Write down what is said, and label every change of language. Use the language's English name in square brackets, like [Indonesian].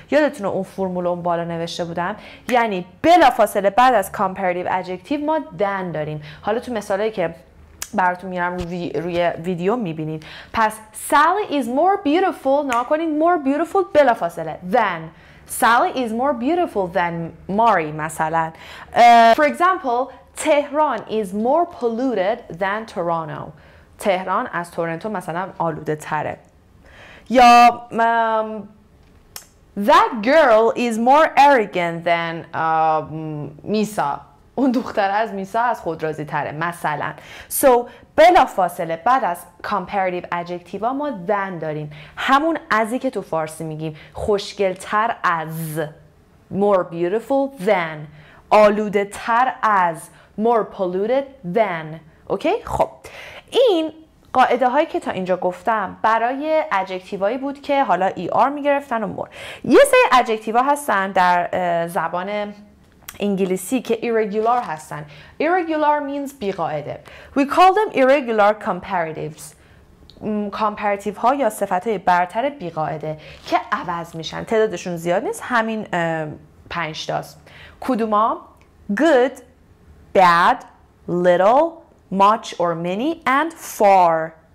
[Persian] یادتونه اون فرمول اون بالا نوشته بودم، یعنی بلافاصله بعد از کامپریتیو ادجکتیو ما than داریم. حالا تو مثالایی که براتون میارم روی ویدیو میبینید، پس [English] Sally is more beautiful، [Persian] نها کنین more beautiful بلافاصله than. [English] Sally is more beautiful than Mary مثلا. For example Tehran is more polluted than Toronto. [Persian] تهران از تورنتو مثلا آلوده تره. [English] یا that girl is more arrogant than Misa. [Persian] اون دختر از میسا از خود راضی تره مثلا. So بلا فاصله بعد از comparative adjective ما than داریم، همون ازی که تو فارسی میگیم، خوشگلتر از، [English] more beautiful than، [Persian] آلوده تر از، [English] more polluted than. [Persian] اوکی؟ خب این قاعده هایی که تا اینجا گفتم برای ادجکتیو هایی بود که حالا ای آر میگرفتن و مور. یه سری ادجکتیو ها هستن در زبان انگلیسی که irregular هستن. [English] irregular means بیقاعده. We call them irregular comparatives. [Persian] comparative ها یا صفت های برتر بیقاعده که عوض میشن. تعدادشون زیاد نیست، همین پنج تاست. [English] کدوما؟ good, bad, little, much or many and far.